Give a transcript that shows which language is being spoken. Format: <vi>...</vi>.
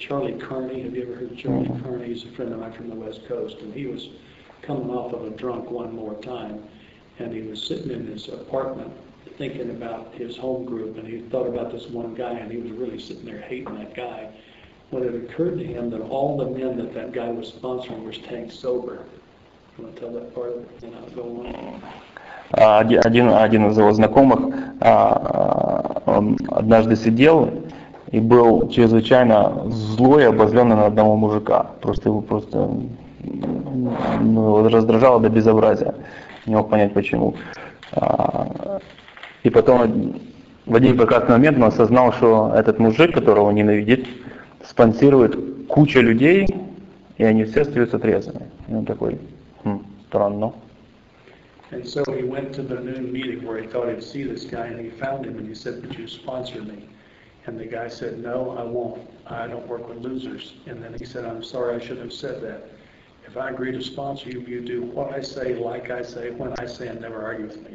<en>Charlie Kearney, have you ever heard of Charlie Kearney? He's a friend of mine from the West Coast, and he was coming off of a drunk one more time, and he was sitting in his apartment thinking about his home group, and he thought about this one guy, and he was really sitting there hating that guy. When it occurred to him that all the men that guy was sponsoring were staying sober. You want to tell that part of it, and I'll go on.</en> <ru>Один из его знакомых однажды сидел и был чрезвычайно злой и обозленный на одного мужика. Просто его раздражало до безобразия. Не мог понять почему. И потом в один прекрасный момент он осознал, что этот мужик, которого он ненавидит, спонсирует кучу людей, и они все остаются трезвыми. И он такой, странно.</ru> <en>And so he went to the noon meeting where he thought he'd see this guy, and he found him, and he said, would you sponsor me? And the guy said, no, I won't. I don't work with losers. And then he said, I'm sorry, I shouldn't have said that. If I agree to sponsor you, you do what I say, like I say, when I say, and never argue with me.</en>